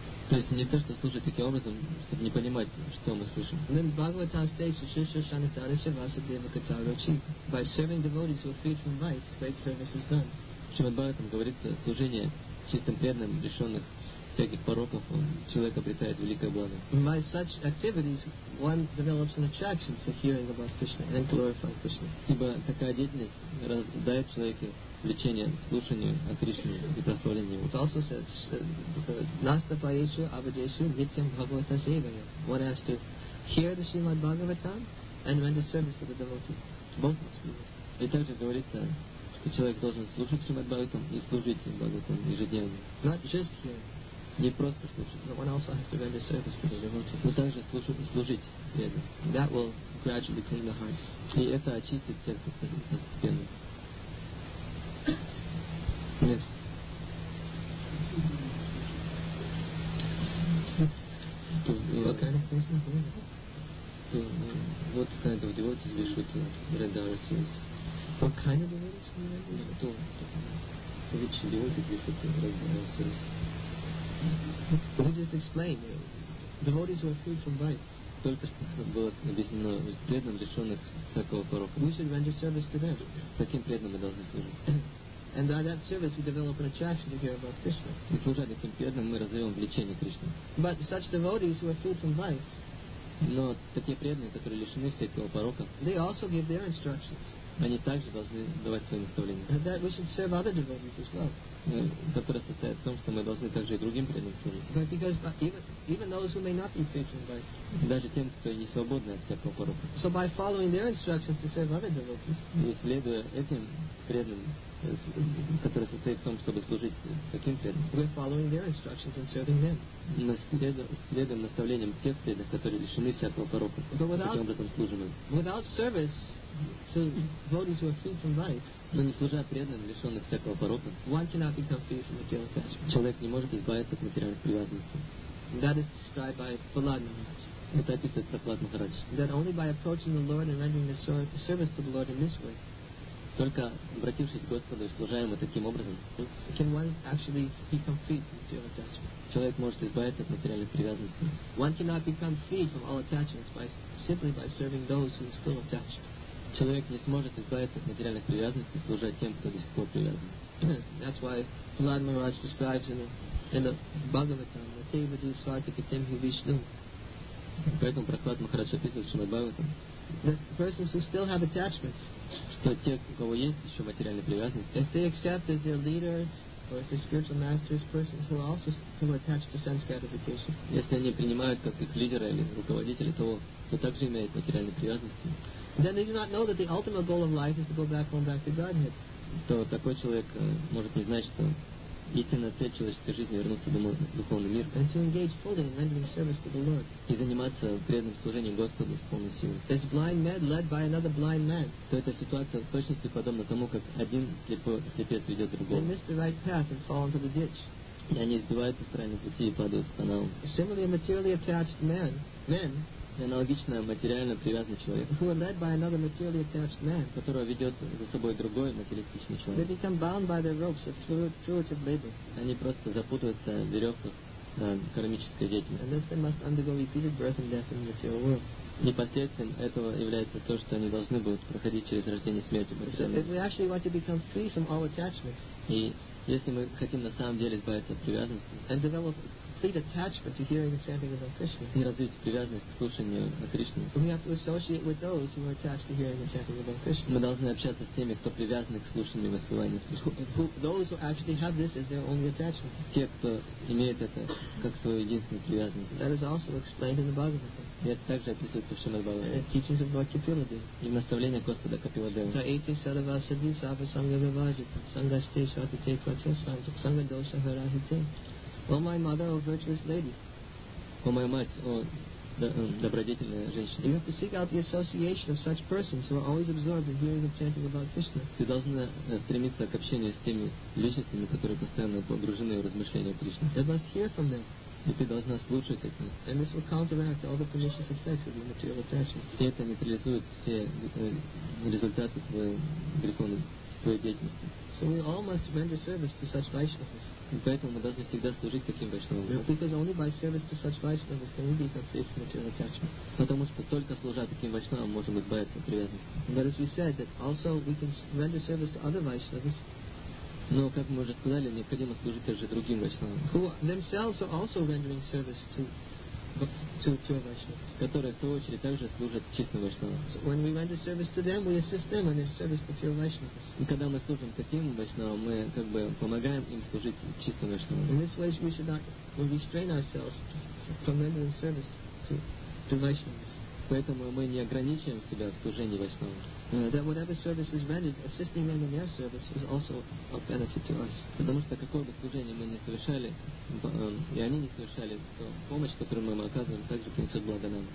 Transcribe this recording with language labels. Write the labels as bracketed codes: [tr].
[ru] То есть не то, что слушать таким образом, чтобы не понимать, что мы слышим. [en] And then Bhagavatam states, Shusha Shanatara Shavasa Deva Kataro Chi. By serving devotees who are freed from vice, great service is done. [ru] Шримад Бхагаватам говорится, служение чистым преданным лишенных всяких пороков, человек обретает великое благо. [en] By such activities, one develops an attraction for hearing about Krishna and glorifying Krishna. [ru] Ибо такая деятельность дает человеку влечение к слушанию о Кришне и прославлению Его. [en] It also says, Nastapayeshu Abhadeshu Nityam Bhagavata Sevaya. One has to hear the Srimad Bhagavatam and render service to the devotee. Both must be there. [ru] И также говорится, что человек должен слушать Srimad Bhagavatam и служить Бхагаватам ежедневно. [en] Not just hearing. [ru] Не просто слушать. [en] But one also has to render service to the devotee. [ru] Но также слушать и служить. [en] Yeah. That will gradually clean the heart. [ru] И это очистит сердце постепенно. [en] Yes. What kind of devotees we should render our service? What kind of devotees we should render our service? which devotees we should bring in our service. Can you just explain? Devotees were free from vice. [ru] Только что было объяснено преданным, лишенных всякого порока. [en] We should render service to them. [ru] Таким преданным мы должны служить. [en] And by that service we develop an attraction to hear about Krishna. [ru] И служа таким преданным, мы развиваем влечение Кришны. [en] But such devotees who are free from vice. [ru] Но такие преданные, которые лишены всякого порока, [en] they also give their instructions. [ru] Они также должны давать свои наставления. [en] And that we should serve other devotees as well. [ru] Которая состоит в том, что мы должны также и другим преданным служить. [en] But because even those who may not be free from vice. [ru] Даже тем, кто не свободны от всякого порока. [en] So by following their instructions to serve other devotees. [ru] И следуя этим преданным, которая состоит в том, чтобы служить таким преданным. [en] We're following their instructions and serving them. [ru] Мы следуем наставлениям тех преданных, которые лишены всякого порока. Таким образом служим им. [en] Without service to devotees who are free from vice. [ru] Но не служа преданным, лишенных всякого порока, [en] one cannot become free from material attachment. [ru] Человек не может избавиться от материальных привязанностей. [en] That is described by Prahlad Maharaj. [ru] Это описывает Прохлад Махарадж. [en] That only by approaching the Lord and rendering the service to the Lord in this way. [ru] Только обратившись к Господу и служа ему таким образом, [en] can one actually become free from material attachment? [ru] Человек может избавиться от материальных привязанностей. [en] One cannot become free from all attachments by simply by serving those who are still attached. [ru] Человек не сможет избавиться от материальных привязанностей, служа тем, кто до сих пор привязан. [en] That's why Prahlad Maharaj describes in the Bhagavatam, the Teva Dusvartikatim Hi Vishnu. [ru] Поэтому Прохлад Махарадж описывает в Шримад Бхагаватам. [en] The persons who still have attachments. [ru] Что те, у кого есть еще материальные привязанности. [en] If they accept as their leaders or as their spiritual masters persons who are also still attached to sense gratification. [ru] Если они принимают как их лидера или руководителя того, кто также имеет материальные привязанности. [en] Then they do not know that the ultimate goal of life is to go back home back to Godhead. [ru] То такой человек может не знать, что истинная цель человеческой жизни вернуться домой в духовный мир. [en] And to engage fully in rendering service to the Lord. [ru] И заниматься преданным служением Господу с полной силой. [en] This blind man led by another blind man. [ru] То эта ситуация в точности подобна тому, как один слепец ведет другого. [en] They miss the right path and fall into the ditch. [ru] И они сбиваются с правильного пути и падают в канал. [en] Similarly, a materially attached man. [ru] И аналогично материально привязанный человек, [en] who are led by another materially attached man, [ru] которого ведет за собой другой материалистичный человек, [en] they become bound by the ropes of fruitive labor. [ru] Они просто запутываются в веревках кармической деятельности. [en] And thus they must undergo repeated birth and death in the material world. [ru] И последствием этого является то, что они должны будут проходить через рождение и смерть. [en] So if we actually want to become free from all attachments, [ru] и если мы хотим на самом деле избавиться от привязанности, [en] and develop complete attachment to hearing and chanting about Krishna. [ru] И развить привязанность к слушанию о Кришне. [en] We have to associate with those who are attached to hearing and chanting about Krishna. [ru] Мы должны общаться с теми, кто привязан к слушанию и воспеванию Кришны. [en] Those who actually have this as their only attachment. [ru] Те, кто имеет это как свою единственную привязанность. [en] That is also explained in the Bhagavatam. [ru] И это также описывается в Шримад Бхагаватам. [en] The teachings of Bhakti Piladeva. [ru] И наставление Господа Капиладева. Та эти саравасадхи саппасангавиваджита сангасте шатите прачасанса сангадоса харахите. [en] О, my mother, oh virtuous lady. [ru] О, моя мать, о добродетельная женщина. [en] You have to seek out the association of such persons who are always absorbed in hearing and chanting about Krishna. [ru] Ты должна стремиться к общению с теми личностями, которые постоянно погружены в размышления о Кришне. [en] You must hear from them. [ru] И ты должна слушать от них. [en] And this will counteract all the pernicious effects of the material attachment. [ru] И это нейтрализует все результаты твоей греховной деятельности. [en] So we all must render service to such Vaishnavas. [ru] И поэтому мы должны всегда служить таким Вайшнавам. [en] Because only by service to such Vaishnavas can we become free from material attachment. [ru] Потому что только служа таким Вайшнавам можем избавиться от привязанности. [en] But as we said, that also we can render service to other Vaishnavas. [ru] Но, как мы уже сказали, необходимо служить также другим Вайшнавам. [en] Who themselves are also rendering service to [ru] которые, в свою очередь, также служат чистым вайшнавам. [en] So when we render service to them, we assist them in their service to pure vaishnavas. [ru] И когда мы служим таким вайшнавам, мы как бы помогаем им служить чистым вайшнавам. [en] In this way, we should not restrain ourselves from rendering service to vaishnavas. [ru] Поэтому мы не ограничиваем себя в служении вайшнавам. [en] That whatever service is rendered, assisting them in their service is also of benefit to us. [ru] Потому что какое бы служение мы не совершали, и они не совершали, то помощь, которую мы им оказываем, также принесет благо нам.